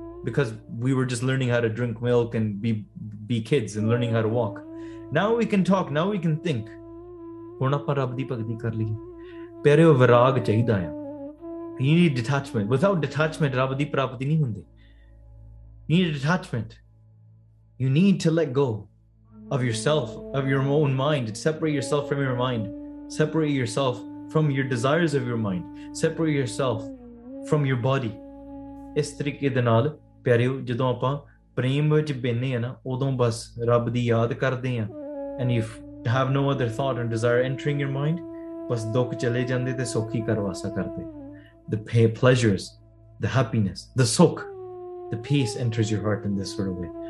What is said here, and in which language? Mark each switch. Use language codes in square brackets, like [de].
[en] because we were just learning how to drink milk and be kids and learning how to walk now we can talk now we can think [pa] hun apan rab di bhakti kar liye pyare oh virag chahida hai [en] you need detachment without detachment [pa] rab di prapti nahi hunde [en] you need detachment you need to let go of yourself, of your own mind. Separate yourself from your mind. Separate yourself from your desires of your mind. Separate yourself from your body. [pa] ਇਸ ਤਰੀਕੇ ਦੇ ਨਾਲ ਪਿਆਰਿਓ ਜਦੋਂ ਆਪਾਂ ਪ੍ਰੇਮ ਵਿੱਚ ਬਹਿੰਦੇ ਹਾਂ ਨਾ ਉਦੋਂ ਬਸ ਰੱਬ ਦੀ ਯਾਦ ਕਰਦੇ ਹਾਂ [en] and you have no other thought and desire entering your mind [pa] ਬਸ ਦੁੱਖ ਚਲੇ ਜਾਂਦੇ ਅਤੇ ਸੁੱਖ ਹੀ ਕਰਵਾਸਾ ਕਰਦੇ [en] the pleasures the happiness the ਸੁੱਖ the peace enters your heart in this world ਵੇ